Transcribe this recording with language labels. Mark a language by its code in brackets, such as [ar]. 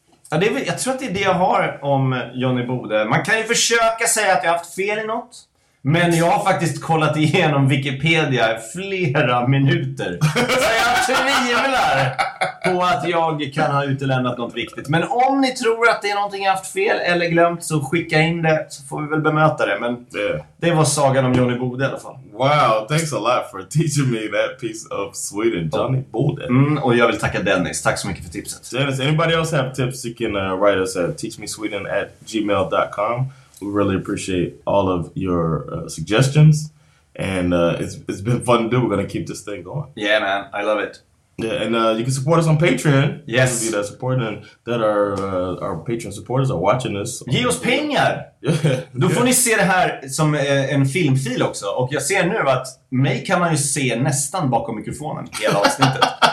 [sv] Ja, det är, jag tror att det är det jag har om Johnny Bode. Man kan ju försöka säga att jag har haft fel i något, men jag har faktiskt kollat igenom Wikipedia flera minuter. Så jag tvivlar på att jag kan ha utelämnat något viktigt. Men om ni tror att det är någonting jag haft fel eller glömt, så skicka in det, så får vi väl bemöta det. Men det var sagan om Johnny Bode i alla fall. [en] Wow, thanks a lot for teaching me that piece of Sweden, Johnny Bode. [sv] Mm, och jag vill tacka Dennis. Tack så mycket för tipset. [en] Dennis, anybody else have tips, you can write us at teachmesweden@gmail.com. We really appreciate all of your suggestions, and it's been fun to do. We're going to keep this thing going. Yeah, man. I love it. Yeah, and you can support us on Patreon. Yes. Those of you that support, and that our Patreon supporters are watching this. [sv] Ge oss pengar! [en] Yeah. [sv] Då får ni se det här som en filmfil också. Och jag ser nu att mig kan man ju se nästan bakom mikrofonen hela avsnittet.